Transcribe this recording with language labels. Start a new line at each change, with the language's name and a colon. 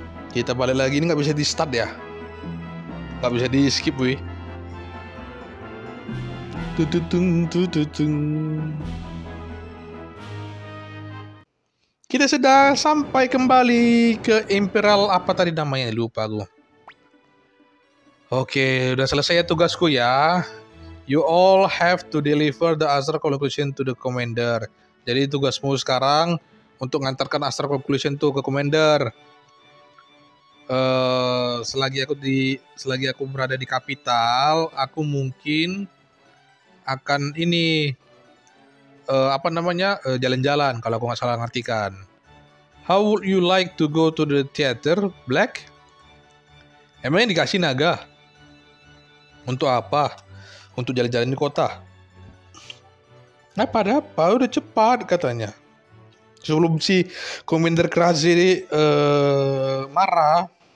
Indonesian: Kita balik lagi, ini nggak bisa di-start ya. Nggak bisa di-skip, wih. Tututung, tututung. Kita sudah sampai kembali ke Imperial, apa tadi namanya, lupa aku. Oke, udah selesai ya tugasku ya.
English: You all have to deliver the Astral Conclusion to the Commander.
Indonesian: Jadi tugasmu sekarang untuk ngantarkan Astral Conclusion itu ke Commander. Selagi aku berada di kapital, aku mungkin akan ini apa namanya jalan-jalan kalau aku nggak salah ngartikan.
English: How would you like to go to the theater, Black?
Indonesian: Emangnya dikasih naga? Untuk apa? Untuk jalan-jalan di kota? Nah, pada apa? Udah cepat katanya. Sebelum si Commander Krazy marah.